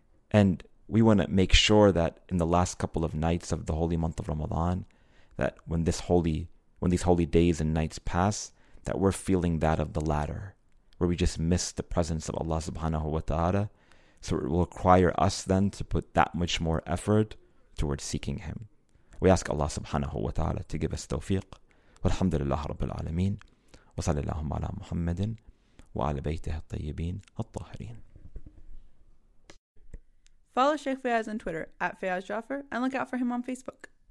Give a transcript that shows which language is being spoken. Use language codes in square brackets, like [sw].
[en] And we want to make sure that in the last couple of nights of the holy month of Ramadan, that when these holy days and nights pass, that we're feeling that of the latter, where we just miss the presence of Allah subhanahu wa ta'ala. So it will require us then to put that much more effort towards seeking Him. We ask Allah subhanahu wa ta'ala to give us tawfiq. Walhamdulillah rabbil alameen. [ar] وصلى اللهم على محمد وعلى بيته الطيبين الطاهرين. [en] Follow Sheikh Fayaz on Twitter @FayazJaffer and look out for him on Facebook.